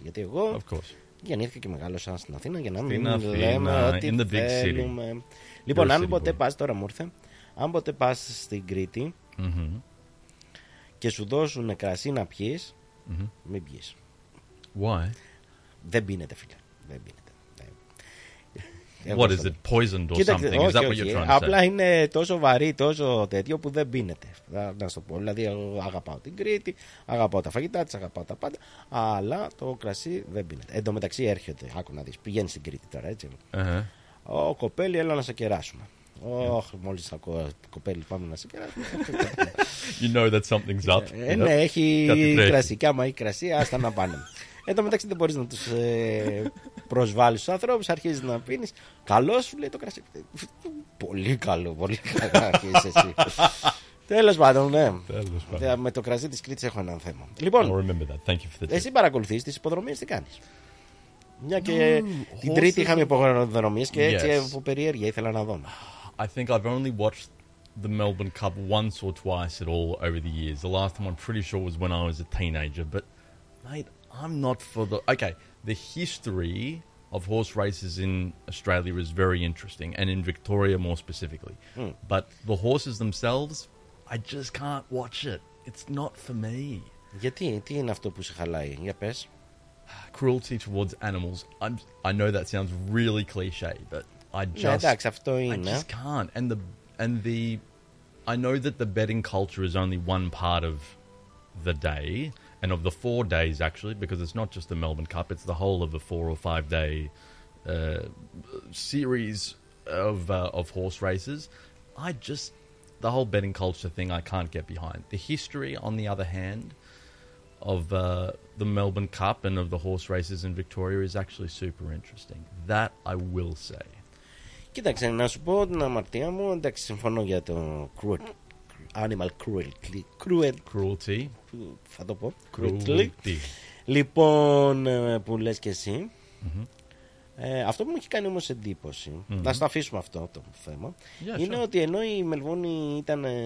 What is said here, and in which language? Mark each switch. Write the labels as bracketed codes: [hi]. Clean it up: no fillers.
[el] Γιατί εγώ γεννήθηκα και μεγάλωσα στην Αθήνα, για να μην λέμε ότι θέλουμε. Λοιπόν, αν ποτέ πας, τώρα μου ήρθε, αν ποτέ πας στην Κρήτη και σου δώσουν κρασί να πιεις, μην πιεις. [en] Why? [el] Δεν πίνεται, φίλε. Δεν πίνεται. [en] What is it, poisoned or something? Is that what you're trying to say? [el] Απλά είναι τόσο βαρύ, τόσο τέτοιο που δεν πίνεται. Να σου το πω. Δηλαδή, αγαπάω την Κρήτη, αγαπάω τα φαγητά της, αγαπάω τα πάντα, αλλά το κρασί δεν πίνεται. Εν τω μεταξύ έρχεται, άκου να δεις, πηγαίνει στην Κρήτη τώρα, έτσι. Ο κοπέλι, έλα να σε κεράσουμε. Ωχ, μόλις ακούω κοπέλι, πάμε να σε κεράσουμε. [en] You know that something's up. [el] Ναι, έχει κρασί. Κι άμα έχει κρασί, άστα να πάνε. Εν τω μεταξύ δεν μπορείς να τους προσβάλλεις τους ανθρώπους, αρχίζεις να πίνεις. Καλό σου λέει το κρασί. Πολύ καλό, πολύ καλό αρχίζεις εσύ. Τέλος πάντων, ναι. Τέλος πάντων. Με το κρασί της Κρήτης έχω ένα θέμα. Λοιπόν, εσύ παρακολουθείς τις υποδρομίες, τι κάνεις? Μια και την Τρίτη είχαμε υποδρομίες και έτσι από περιέργεια ήθελα να δω. [en] I think I've only watched the Melbourne Cup once or twice at all over the years. The last time I'm pretty sure was when I was a teenager, but mate, I'm not for the... Okay, the history of horse races in Australia is very interesting, and in Victoria more specifically. Mm. But the horses themselves, I just can't watch it. It's not for me. [el] Γιατί, τι είναι αυτό που σε χαλάει, για πες. [en] Cruelty towards animals. I know that sounds really cliche, but I just... [el] Ναι, εντάξει, αυτό είναι. [en] I just can't. And the... I know that the betting culture is only one part of the day... And of the 4 days, actually, because it's not just the Melbourne Cup, it's the whole of a 4 or 5 day series of horse races. I just, the whole betting culture thing, I can't get behind. The history, on the other hand, of the Melbourne Cup and of the horse races in Victoria is actually super interesting. That I will say. [el] Κοίταξε, να σου πω την αμαρτία μου, εντάξει, συμφωνώ για το cruelty. [en] Animal cruelty. Cruelty. [el] Θα το πω. [en] Cruelty. [el] Λοιπόν, που λες και εσύ. Mm-hmm. Αυτό που μου έχει κάνει όμως εντύπωση, να στο αφήσουμε αυτό το θέμα, είναι ότι ενώ η Μελβούρνη ήταν.